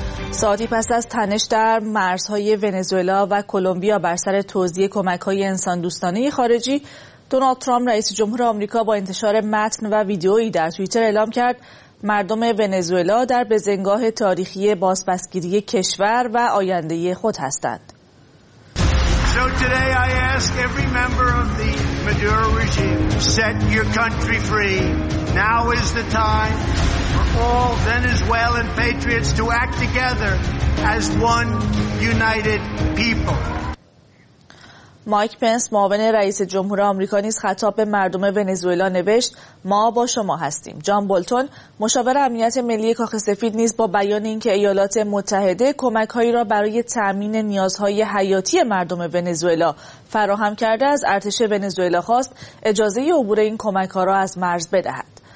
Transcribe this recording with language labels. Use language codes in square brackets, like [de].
[fa] ساعتی پس از تنش در مرزهای ونزوئلا و کولومبیا بر سر توزیع کمک‌های انسان دوستانه خارجی، دونالد ترامپ رئیس جمهور آمریکا با انتشار متن و ویدئویی در توییتر اعلام کرد مردم ونزوئلا در بزنگاه تاریخی بازپسگیری کشور و آینده خود هستند. [en] So today I ask every member of the Maduro regime to set your country free. Now is the time for all Venezuelan patriots to act together as one united people. [fa] مایک پنس معاون رئیس جمهور آمریکا نیز خطاب به مردم ونزوئلا نوشت ما با شما هستیم. جان بولتون مشاور امنیت ملی کاخ سفید نیز با بیان اینکه ایالات متحده کمک‌هایی را برای تأمین نیازهای حیاتی مردم ونزوئلا فراهم کرده از ارتش ونزوئلا خواست اجازه عبور این کمک‌ها را از مرز بدهد.